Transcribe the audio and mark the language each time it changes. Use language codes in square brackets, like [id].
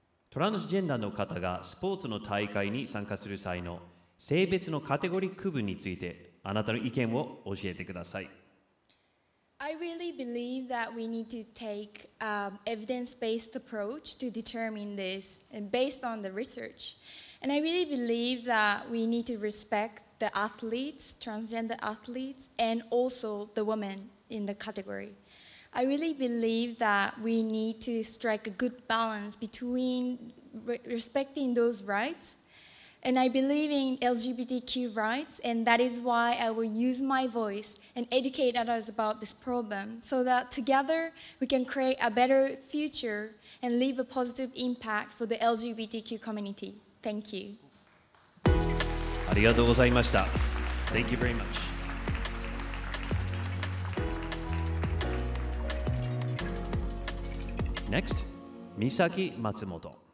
[ja] トランスジェンダーの方がスポーツの大会に参加する際の性別のカテゴリー区分についてあなたの意見を教えてください。 [en] I really believe that we need to take an evidence-based approach to determine this and based on the research. And I really believe that we need to respect the athletes, transgender athletes, and also the women in the category. I really believe that we need to strike a good balance between respecting those rights and I believe in LGBTQ rights and that is why I will use my voice and educate others about this problem so that together we can create a better future and leave a positive impact for the LGBTQ community. Thank you. [ja] ありがとうございました。 [en] Thank you very much. Next, Misaki Matsumoto.